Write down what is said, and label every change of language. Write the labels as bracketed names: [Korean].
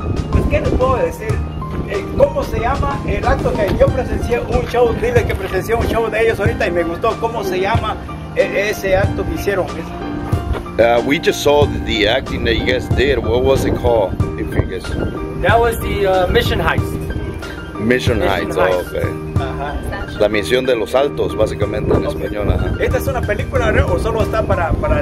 [Spanish] Pues, ¿qué les puedo decir? ¿Cómo se llama el acto que yo presencié un show? Dile que presencié un show de ellos ahorita y me gustó. ¿Cómo se llama ese acto que hicieron? [English] We just saw the acting that you guys did. What was it called? If you guys... That was the Mission Heist. Mission Heights. Oh, okay. [Spanish] La misión de los altos, básicamente, en español. Ajá. ¿Esta es una película o solo está para...?